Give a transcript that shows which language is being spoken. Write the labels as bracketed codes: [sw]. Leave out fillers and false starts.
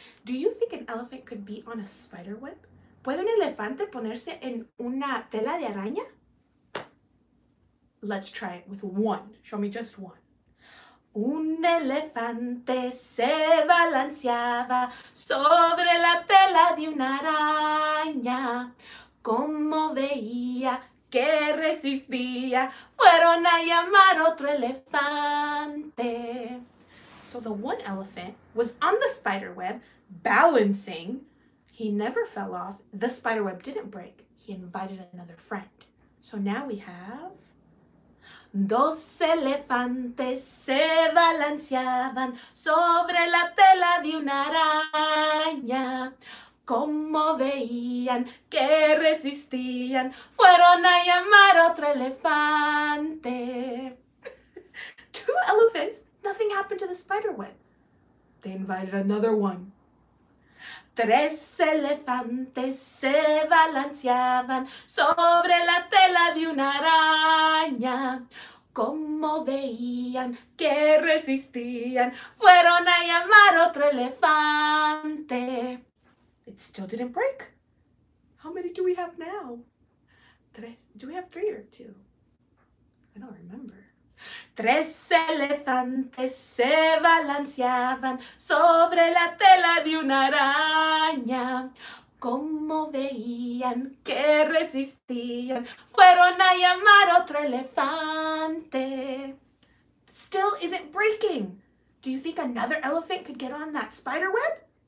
[en] Do you think an elephant could be on a spider web? [es] ¿Puede un elefante ponerse en una tela de araña? [en] Let's try it with one. Show me just one. [es] Un elefante se balanceaba sobre la tela de una araña. Como veía que resistía, fueron a llamar otro elefante. [en] So the one elephant was on the spider web, balancing. He never fell off. The spider web didn't break. He invited another friend. So now we have... [es] Dos elefantes se balanceaban sobre la tela de una araña. Como veían que resistían, fueron a llamar otro elefante. [en] Two elephants, nothing happened to the spider web. They invited another one. [es] Tres elefantes se balanceaban sobre la tela de una araña. Como veían que resistían, fueron a llamar otro elefante. [en] It still didn't break. How many do we have now? Tres. Do we have three or two? I don't remember. [es] Tres elefantes se balanceaban sobre la tela de una araña. Como veían que resistían, fueron a llamar otro elefante. [en] Still isn't breaking. Do you think another elephant could get on that spider web?